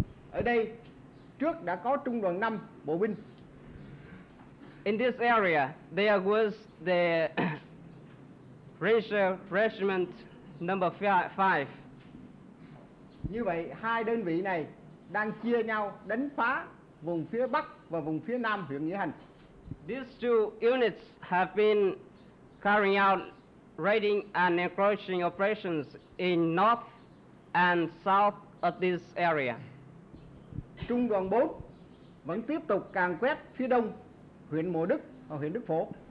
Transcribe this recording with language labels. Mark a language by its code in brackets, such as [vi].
[vi] Ở đây, trước đã có trung đoàn 5 bộ binh. [en] In this area, there was the ranger regiment number 5. [vi] Như vậy, hai đơn vị này đang chia nhau đánh phá vùng phía Bắc và vùng phía Nam huyện Nghĩa Hành. [en] These two units have been carrying out raiding and encroaching operations in north and south of this area. [vi] Trung đoàn 4 vẫn tiếp tục càn quét phía đông huyện Mộ Đức và huyện Đức Phổ.